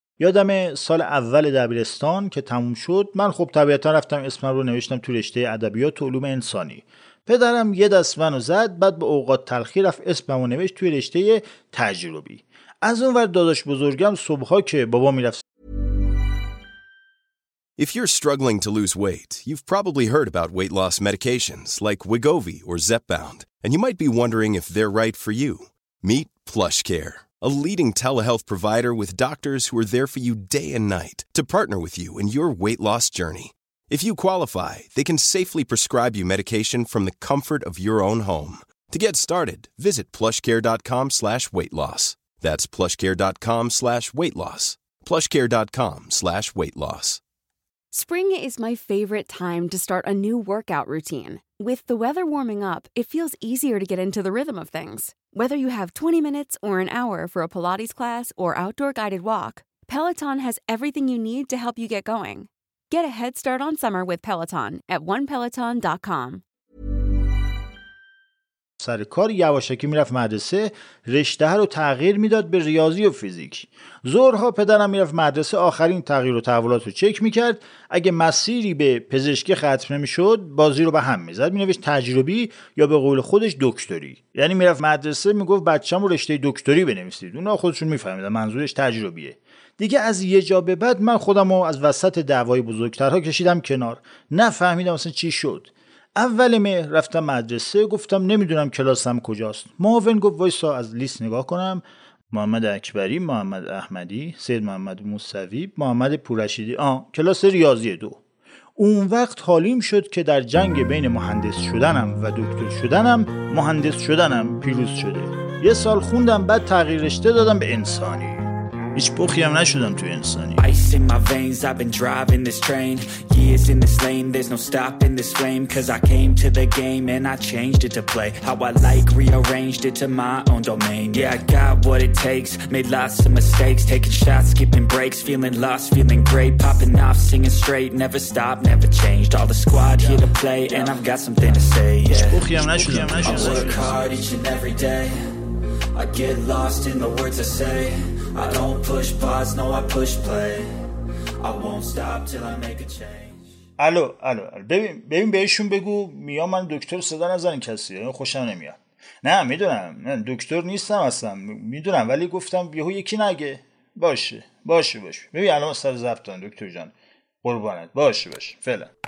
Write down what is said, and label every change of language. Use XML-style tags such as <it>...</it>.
<fa>یادم سال اول دبیرستان که تموم شد، من خب طبیعتاً رفتم اسمم رو نوشتم تو رشته ادبیات علوم انسانی. پدرم یه دست منو زد، بعد به اوقات تلخی رفت اسممو نوشت توی رشته تجربی. از اون ور داداش بزرگم صبحا که بابا میرفت.</fa> <en>If you're struggling to lose weight, you've probably heard about weight loss medications like Wegovy or Zepbound, and you might be wondering if they're right for you. Meet PlushCare, a leading telehealth provider with doctors who are there for you day and night to partner with you in your weight loss journey. If you qualify, they can safely prescribe you medication from the comfort of your own home. To get started, visit plushcare.com/weightloss. That's plushcare.com/weightloss. plushcare.com/weightloss. Spring is my favorite time to start a new workout routine. With the weather warming up, it feels easier to get into the rhythm of things. Whether you have 20 minutes or an hour for a Pilates class or outdoor guided walk, Peloton has everything you need to help you get going. Get a head start on summer with Peloton at onepeloton.com.</en> <fa>سر کار یواشکی میرفت مدرسه، رشته رو تغییر میداد به ریاضی و فیزیک. ظهرها پدرم میرفت مدرسه، آخرین تغییر و تحولات رو چک میکرد. اگه مسیری به پزشکی ختم نمیشد، بازی رو به هم میزد، مینوشت تجربی یا به قول خودش دکتری. یعنی میرفت مدرسه میگفت بچه‌مو رشته دکتری بنویسید. اونا خودشون میفهمیدن منظورش تجربیه. دیگه از یه جا به بعد من خودم رو از وسط دعوای بزرگترها کشیدم کنار. نفهمیدم اصلا چی شد. اول مهر رفتم مدرسه، گفتم نمیدونم کلاسم کجاست. معاون گفت وایسا از لیست نگاه کنم. محمد اکبری، محمد احمدی، سید محمد موسوی، محمد پوررشیدی، کلاس ریاضی 2. اون وقت حالیم شد که در جنگ بین مهندس شدنم و دکتر شدنم، مهندس شدنم پیروز شده. یه سال خوندم، بعد تغییر رشته دادم به انسانی. هیچ بخی هم نشدم تو انسانی.</fa> <en>Ice in my veins, I've been driving this train. Years in this lane, there's no stopping this flame. Cause I came to the game and I changed it to play. How I like, rearranged it to my own domain. Yeah, I got what it takes, made lots of mistakes. Taking shots, skipping breaks, feeling lost, feeling great. Popping off, singing straight, never stopped, never changed. All the squad here to play and I've got something to say. Yeah. I work hard each and every day. I get lost in the words I say. I don't push pause, no, I push play. I won't stop till I make a change.</en> <fa>الو ببین بهشون بگو میام. من دکتر صدا نزنین کسی، یعنی خوشم نمیاد. نه میدونم دکتر نیستم اصلا، میدونم، ولی گفتم یهو یکی نگه. باشه. ببین الان سر ضبط دارن دکتر جان، قربانت. باشه فعلا.</fa>